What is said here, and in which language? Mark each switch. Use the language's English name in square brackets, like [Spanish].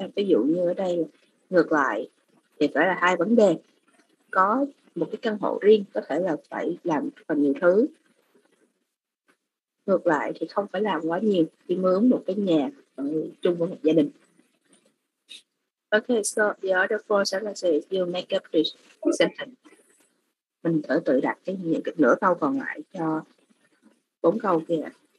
[Vietnamese] Ví dụ như ở đây, ngược lại, thì phải là hai vấn đề. Có một cái căn hộ riêng, có thể là phải làm rất là nhiều thứ. Ngược lại thì không phải làm quá nhiều, khi mướn một cái nhà ở chung với một gia đình. [English] Okay, so the other four sentences you make up this sentence. [Vietnamese] Mình thử tự đặt cái những cái nửa câu còn lại cho bốn câu kia.